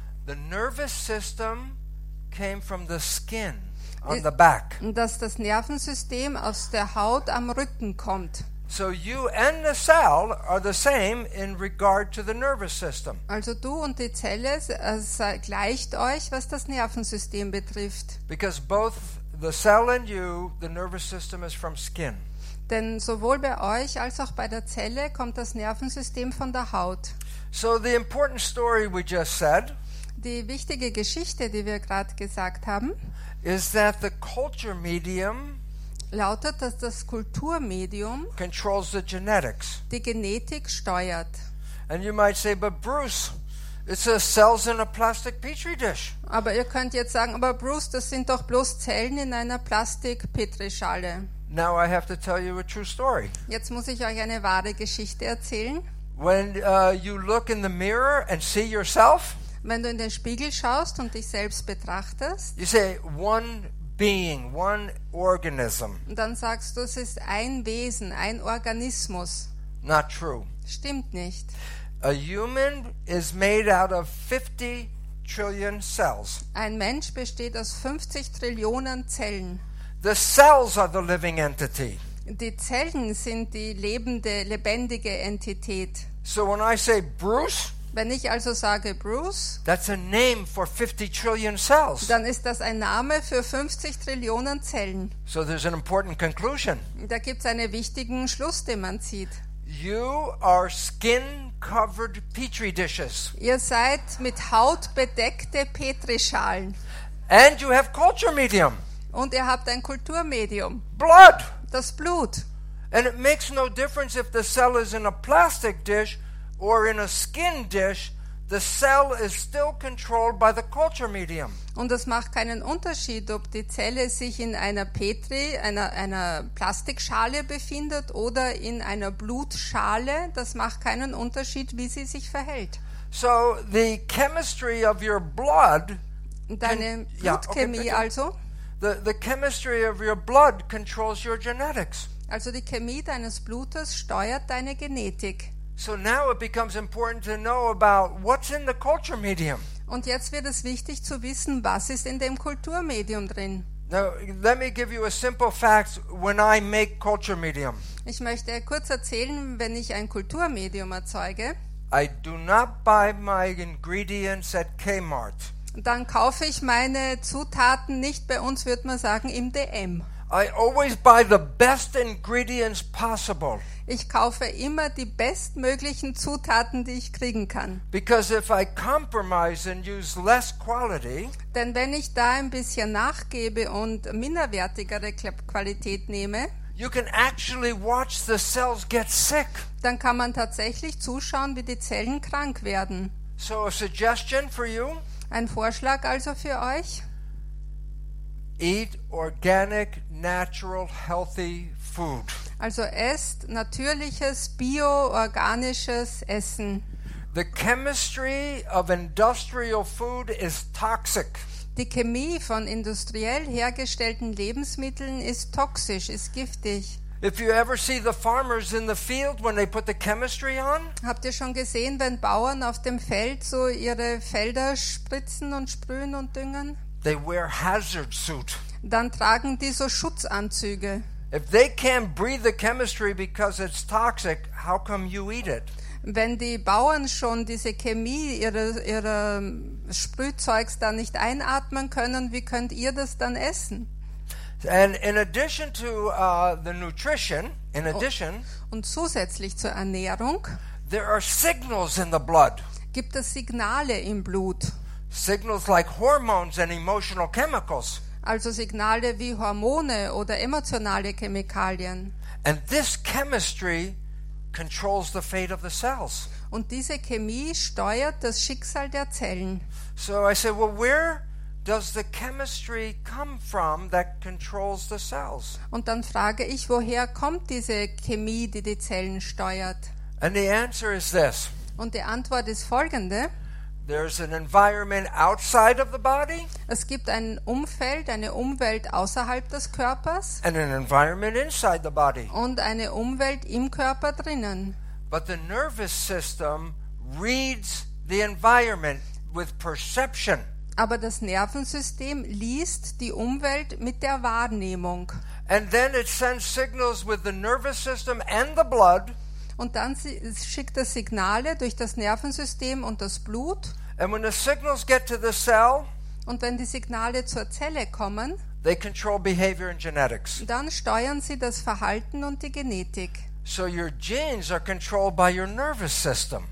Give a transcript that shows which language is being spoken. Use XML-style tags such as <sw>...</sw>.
<en>the nervous system came from the skin on the back.</en> <de>Dass das Nervensystem aus der Haut am Rücken kommt.</de> <en>So you and the cell are the same in regard to the nervous system.</en> <de>Also du und die Zelle gleicht euch, was das Nervensystem betrifft.</de> <en>Because both the cell and you, the nervous system is from skin.</en> <de>Denn sowohl bei euch als auch bei der Zelle kommt das Nervensystem von der Haut.</de> <en>So the important story we just said,</en> <de>die wichtige Geschichte, die wir gerade gesagt haben,</de> <en>is that the culture medium</en> <de>lautet, dass das Kulturmedium</de> <en>controls the genetics.</en> <de>Die Genetik steuert.</de> <en>And you might say, but Bruce, it's the cells in a plastic petri dish.</en> <de>Aber ihr könnt jetzt sagen, aber Bruce, das sind doch bloß Zellen in einer Plastik-Petrischale.</de> <en>Now I have to tell you a true story.</en> <de>Jetzt muss ich euch eine wahre Geschichte erzählen.</de> <en>When you look in the mirror and see yourself,</en> <de>wenn du in den Spiegel schaust und dich selbst betrachtest,</de> <en>you say one being, one organism.</en> <de>Und dann sagst du, es ist ein Wesen, ein Organismus.</de> <en>Not true.</en> <de>Stimmt nicht.</de> <en>A human is made out of 50 trillion cells.</en> <de>Ein Mensch besteht aus 50 Trillionen Zellen.</de> <en>The cells are the living entity.</en> <de>Die Zellen sind die lebendige Entität.</de> <en>So when I say Bruce,</en> <de>wenn ich also sage Bruce,</de> <en>that's a name for 50 trillion cells.</en> <de>Dann ist das ein Name für 50 Trillionen Zellen.</de> <en>So there's an important conclusion.</en> <de>Da gibt's einen wichtigen Schluss, den man zieht.</de> <en>You are skin covered petri dishes.</en> <de>Ihr seid mit Haut bedeckte Petrischalen.</de> <en>And you have culture medium.</en> <de>Und ihr habt ein Kulturmedium.</de> <en>Blood.</en> <de>Das Blut.</de> <en>And it makes no difference if the cell is in a plastic dish or in a skin dish, the cell is still controlled by the culture medium.</en> <de>Und es macht keinen Unterschied, ob die Zelle sich in einer Petri, einer Plastikschale befindet oder in einer Blutschale. Das macht keinen Unterschied, wie sie sich verhält.</de> <en>So the chemistry of your blood,</en> <de>deine Blutchemie, okay, also</de> <en>the chemistry of your blood controls your genetics.</en> <de>Also die Chemie deines Blutes steuert deine Genetik.</de> <en>So now it becomes important to know about what's in the culture medium.</en> <de>Und jetzt wird es wichtig zu wissen, was ist in dem Kulturmedium drin.</de> <en>Now, let me give you a simple fact when I make culture medium.</en> <de>Ich möchte kurz erzählen, wenn ich ein Kulturmedium erzeuge.</de> <en>I do not buy my ingredients at Kmart.</en> <de>Dann kaufe ich meine Zutaten nicht bei uns, würde man sagen, im DM.</de> <en>I always buy the best ingredients possible.</en> <de>Ich kaufe immer die bestmöglichen Zutaten, die ich kriegen kann.</de> <en>Because if I compromise and use less quality,</en> <de>denn wenn ich da ein bisschen nachgebe und minderwertigere Qualität nehme,</de> <en>you can actually watch the cells get sick.</en> <de>Dann kann man tatsächlich zuschauen, wie die Zellen krank werden.</de> <en>So a suggestion for you.</en> <de>Ein Vorschlag also für euch.</de> <en>Eat organic, natural, healthy food.</en> <de>Also esst natürliches, bio-organisches Essen.</de> <en>The chemistry of industrial food is toxic.</en> <de>Die Chemie von industriell hergestellten Lebensmitteln ist toxisch, ist giftig.</de> <en>If you ever see the farmers in the field when they put the chemistry on?</en> <de>Habt ihr schon gesehen, wenn Bauern auf dem Feld so ihre Felder spritzen und sprühen und düngen?</de> <en>They wear hazard suit.</en> <de>Dann tragen die so Schutzanzüge.</de> <en>If they can't breathe the chemistry because it's toxic, how come you eat it?</en> <de>Wenn die Bauern schon diese Chemie ihrer Sprühzeugs da nicht einatmen können, wie könnt ihr das dann essen?</de> <en>And in addition to the nutrition, in addition,</en> <de>und zusätzlich zur Ernährung,</de> <en>there are signals in the blood.</en> <de>Gibt es Signale im Blut?</de> <en>Signals like hormones and emotional chemicals.</en> <de>Also Signale wie Hormone oder emotionale Chemikalien.</de> <en>And this chemistry controls the fate of the cells.</en> <de>Und diese Chemie steuert das Schicksal der Zellen.</de> <en>So I said, well, where does the chemistry come from that controls the cells?</en> <de>Und dann frage ich, woher kommt diese Chemie, die die Zellen steuert?</de> <en>And the answer is this.</en> <de>Und die Antwort ist folgende.</de> <en>There's an environment outside of the body.</en> <de>Es gibt ein Umfeld, eine Umwelt außerhalb des Körpers.</de> <en>And an environment inside the body.</en> <de>Und eine Umwelt im Körper drinnen.</de> <en>But the nervous system reads the environment with perception.</en> <de>Aber das Nervensystem liest die Umwelt mit der Wahrnehmung.</de> <en>And then it sends signals with the nervous system and the blood.</en> <de>Und dann schickt es Signale durch das Nervensystem und das Blut.</de> <en>And when the signals get to the cell,</en> <de>und wenn die Signale zur Zelle kommen,</de> <en>they control behavior and genetics.</en> <de>Dann steuern sie das Verhalten und die Genetik.</de> <en>So your genes are controlled by your nervous system.</en>